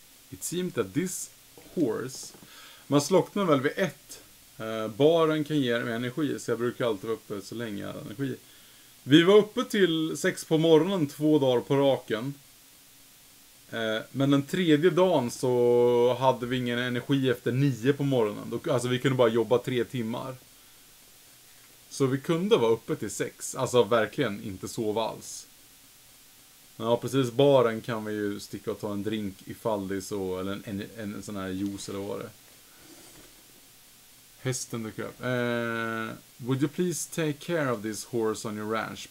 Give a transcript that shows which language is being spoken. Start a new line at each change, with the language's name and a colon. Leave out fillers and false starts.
English: It seemed that this horse...
Swedish: Man slocknar väl vid ett. Baren kan ge mig energi, så jag brukar alltid vara uppe så länge jag har energi. Vi var uppe till 6 på morgonen 2 dagar på raken. Men den tredje dagen så hade vi ingen energi efter 9 på morgonen. Alltså vi kunde bara jobba 3 timmar. Så vi kunde vara uppe till 6. Alltså verkligen inte sova alls. Men ja, precis, baren kan vi ju sticka och ta en drink ifall det är så. Eller en sån här juice eller vad det. Hästen dök upp.
English: Would you please take care of this horse on your ranch?